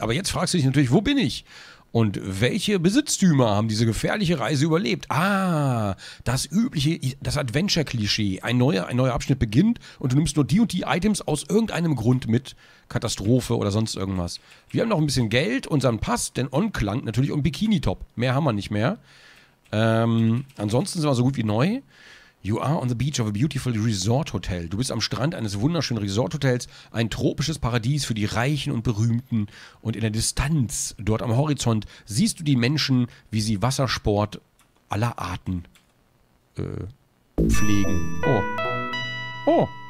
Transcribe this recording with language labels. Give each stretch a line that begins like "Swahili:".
German: Aber jetzt fragst du dich natürlich, wo bin ich? Und welche Besitztümer haben diese gefährliche Reise überlebt? Ah, das übliche, das Adventure-Klischee. Ein neuer Abschnitt beginnt und du nimmst nur die und die Items aus irgendeinem Grund mit. Katastrophe oder sonst irgendwas. Wir haben noch ein bisschen Geld, unseren Pass, denn On klang natürlich um Bikini-Top. Mehr haben wir nicht mehr. Ansonsten sind wir so gut wie neu.
English: You are on the beach of a beautiful resort hotel.
German: Du bist am Strand eines wunderschönen Resort Hotels, ein tropisches Paradies für die Reichen und Berühmten. Und in der Distanz, dort am Horizont, siehst du die Menschen, wie sie Wassersport aller Arten pflegen. Oh. Oh.